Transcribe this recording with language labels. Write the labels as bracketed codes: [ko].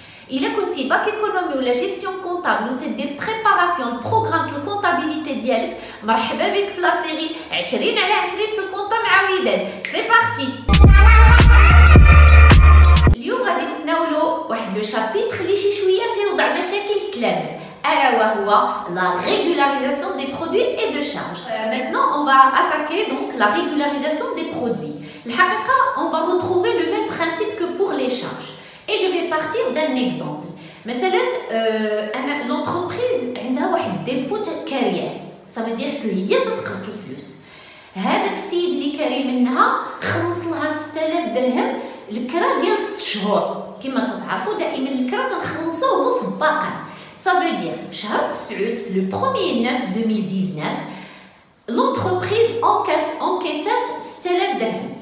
[ar] الا كنتي باك ايكونومي ولا جيستيون كونطابل وتدير بريباراسيون بروغرام الكونطابيليتي ديالك، مرحبا بك في لا سيري 20 على 20 في الكونطا مع وداد. سي بارتي. اليوم غادي نتناولوا واحد لو شابيتر اللي شي شويه تيوضع مشاكل الكلام، الا وهو لا ريغولاريزاسيون دي برودوي اي دو شارج. [fr] maintenant on va attaquer donc la régularisation des produits. [ar] الحقيقه [fr] on va retrouver le même principe que pour les charges. et je vais partir d'un exemple. [ar] مثلا انا l'entreprise عندها واحد ديبو تاع كاريير، [fr] ça veut dire que [ar] هي تتقرض الفلوس. هذاك السيد اللي كاري منها خلص لها 6000 درهم الكرا ديال 6 شهور. كما تتعرفوا دائما الكرا تنخلصوه مسبقا. [fr] Ça veut dire, [ar] في شهر 9, [fr] le 1er 9 2019, l'entreprise encaissait 6000 درهم.